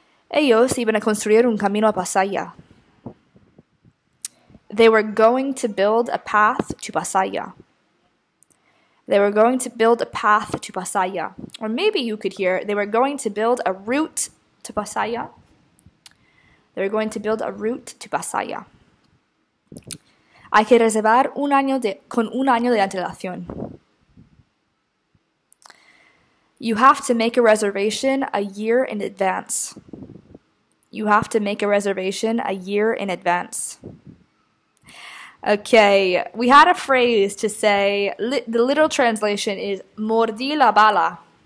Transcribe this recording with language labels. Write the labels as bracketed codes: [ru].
[es] Ellos iban a construir un camino a Pasaya. [en] They were going to build a path to Pasaya. They were going to build a path to Pasaya. Or maybe you could hear, they were going to build a route to Pasaya. They were going to build a route to Pasaya. [es] Hay que reservar un año con un año de antelación. [en] You have to make a reservation a year in advance. You have to make a reservation a year in advance. Okay, we had a phrase to say, the literal translation is [es] mordí la bala.